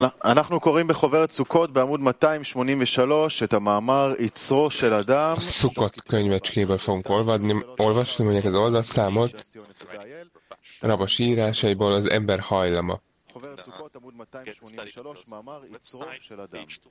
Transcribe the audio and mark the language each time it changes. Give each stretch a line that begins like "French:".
Hebrew: אנחנו קוראים בחוברת סוכות בעמוד 283 את המאמר יצרו של אדם.
Hungarian: סוכות könyvecskéből fogunk olvadni, olvasni, mondják az oldalszámot. Rabasi írásaiból az ember hajlama.
Hebrew: חוברת סוכות עמוד 283 מאמר יצרו של אדם.